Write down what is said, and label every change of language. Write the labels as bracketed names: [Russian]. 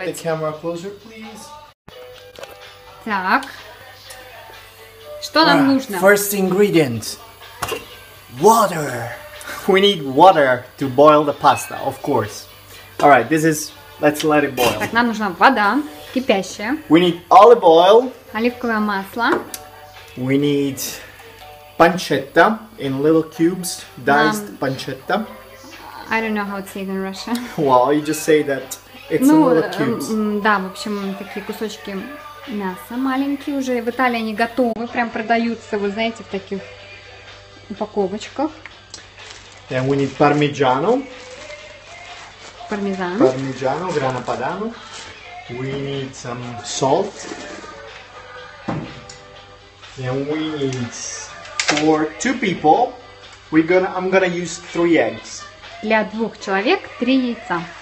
[English] Yes, can you get the camera closer, please? [Russian] Так. Что нам нужно? [English] First ingredient. Water. We need water to boil the pasta, of course. All right, this is... Let's let it boil. [Russian] Так, нам нужна вода, кипящая. [English] We need olive oil. [Russian] Оливковое масло. [English] We need pancetta in little cubes, diced pancetta. I don't know how it's said in Russia. Well, you just say that it's [Russian] ну, [English] in little cubes. [Russian] Да, в общем, такие кусочки мяса маленькие уже. В Италии они готовы, прям продаются, вы знаете, в таких упаковочках. [English] Then we need parmigiano. [Russian] Пармезан. [English] Parmigiano, grana padano. We need some salt. And we need for two people, I'm gonna use three eggs. [Russian] Для двух человек три яйца.